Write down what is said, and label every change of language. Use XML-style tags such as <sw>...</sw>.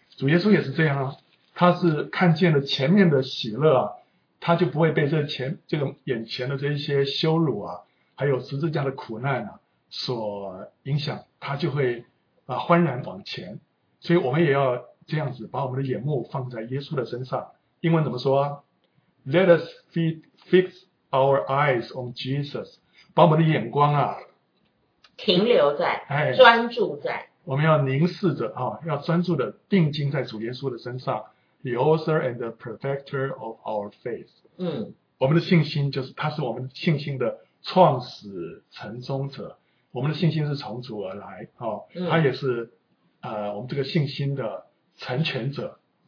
<zh>主耶稣也是这样啊，他是看见了前面的喜乐啊，他就不会被这个眼前的这些羞辱啊还有十字架的苦难啊所影响，他就会欢然往前。所以我们也要这样子把我们的眼目放在耶稣的身上。英文怎么说啊？</zh> <en>Let us fix our eyes on Jesus，</en> <zh>把我们的眼光啊停留在、专注在，我们要凝视着啊，要专注的定睛在主耶稣的身上，</zh> <en>The author and the perfecter of our faith，</en> <zh>我们的信心就是他是我们信心的创始成终者，我们的信心是从主而来啊，他也是我们这个信心的成全者。</zh>